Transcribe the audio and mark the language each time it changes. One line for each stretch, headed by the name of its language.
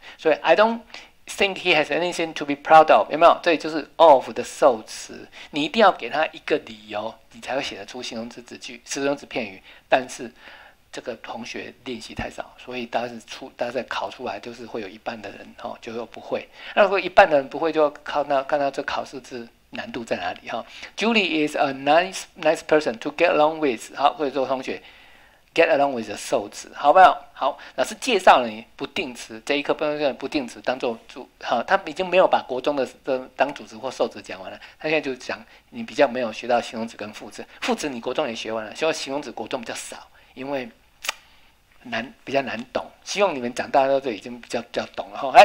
Chinese: 所以
English: I don't think he has anything to be proud of，
Chinese: 有没有？这里就是 of 的受词，你一定要给他一个理由，你才会写得出形容词子句、形容词片语。但是这个同学练习太少，所以大概考出来就是会有一半的人哦，就又不会。那如果一半的人不会，就靠那看到这考试是难度在哪里哈、哦。
English: Julie is a nice person to get along with。
Chinese: 好，或者说同学
English: get along with
Chinese: 的受词，好不好？好，老师介绍了你不定词，这一课不定词当做主，好、哦，他已经没有把国中的当主词或受词讲完了，他现在就讲你比较没有学到形容词跟副词，副词你国中也学完了，希望形容词国中比较少，因为难，比较难懂，希望你们长大到这已经比较懂了哈。